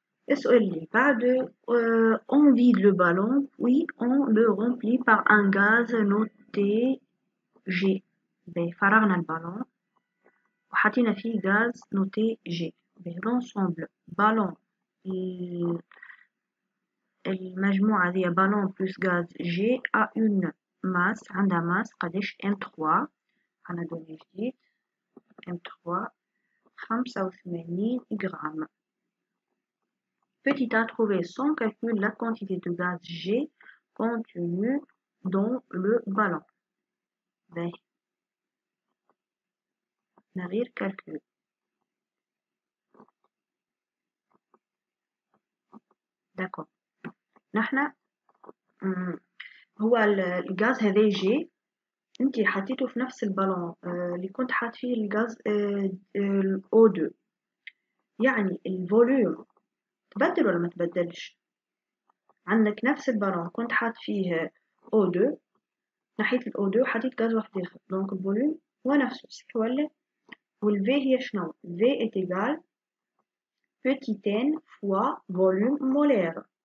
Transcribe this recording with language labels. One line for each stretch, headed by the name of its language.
Arabic: السؤال اللي بعد
French: on vide le ballon puis on le remplit par un gaz noté G.
Arabic: فرغنا البالون وحطينا فيه غاز نوتي G. بالانسومبل بالون المجموعة هي بالون بلس غاز جي ا اون ماس، عندها ماس قداش؟ ام 3. انا دوني جديد ام 3 85 غرام.
French: petit a trouvé sans calcul la quantité de gaz G contenu dans le ballon.
Arabic: ben نغير calcul داكو. نحنا هو الغاز هذا جي انت حطيته في نفس البالون اللي كنت حاط فيه الغاز او 2، يعني الفوليوم تبدل ولا ما تبدلش؟ عندك نفس البالون كنت حاط فيه او 2، ناحيه الاو 2 حطيت غاز واحد اخر، دونك الفوليوم هو نفسه صح ولا؟ والفي هي شنو؟ في ايتيغال
French: petit n fois volume molaire.